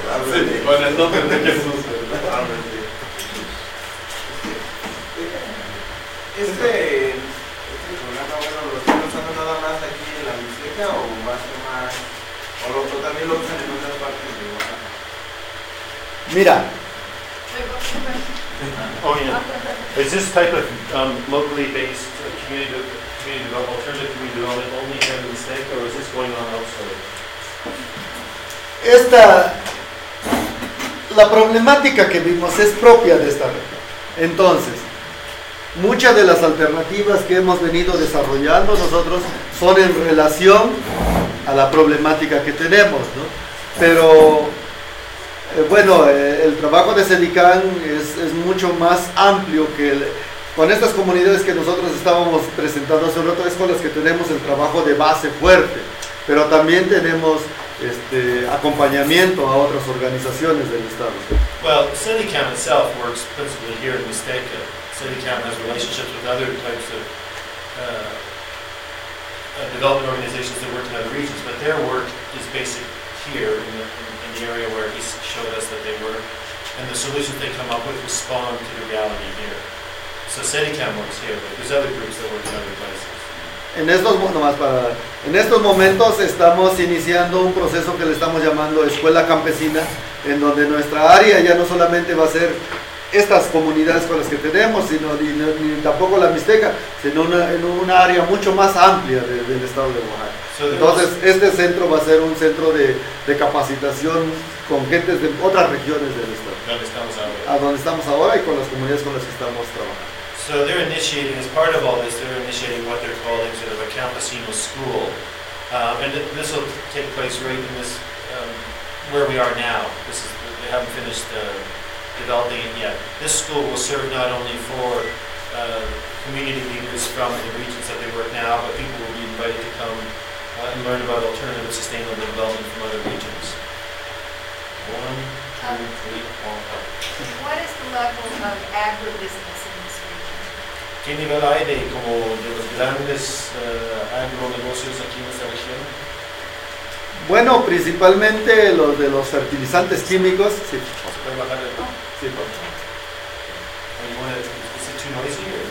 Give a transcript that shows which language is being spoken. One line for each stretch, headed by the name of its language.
Spanish: Este programa, bueno, ¿lo están usando nada más aquí en la biblioteca o más que más? O también lo usan en otras partes de Guadalajara. Mira.
English: Oh yeah. Is this type of locally based community development, alternative community development only here in the state, or is this going on elsewhere?
Spanish: Esta la problemática que vimos es propia de esta región. Entonces, muchas de las alternativas que hemos venido desarrollando nosotros son en relación a la problemática que tenemos, ¿no? Pero bueno, el trabajo de CEDICAN es mucho más amplio que con estas comunidades que nosotros estábamos presentando hace rato, es con las que tenemos el trabajo de base fuerte, pero también tenemos acompañamiento a otras organizaciones del Estado.
English: Well, CEDICAN itself works principally here in Mixteca. CEDICAN has relationships with other types of development organizations that work in other regions, but their work is basic here in the area where he showed us that they were, and the solutions they come up with respond to the reality here. So CEDICAN works here, but there's other groups that work in other places.
Spanish: En estos momentos estamos iniciando un proceso que le estamos llamando Escuela Campesina, en donde nuestra área ya no solamente va a ser estas comunidades con las que tenemos, sino ni tampoco la Mixteca, sino en una área mucho más amplia del estado de Oaxaca. Entonces, este centro va a ser un centro de capacitación con gente de otras regiones del estado. ¿Dónde estamos ahora? A donde estamos ahora y con las comunidades con las que estamos trabajando.
English: So they're initiating, as part of all this, they're initiating what they're calling sort of a campesino school. And this will take place right in this, where we are now. They haven't finished developing it yet. This school will serve not only for community leaders from the regions that they work now, but people will be invited to come and learn about alternative sustainable development from other regions. One, two, three, four, five. What is the level of agribusiness in this region?
Spanish: ¿Qué nivel hay de como de los grandes agronegocios aquí en esta región? Bueno, principalmente los de los fertilizantes químicos. Sí. ¿Se puede bajar el tono? Sí, por favor. ¿Es
English: too noisy?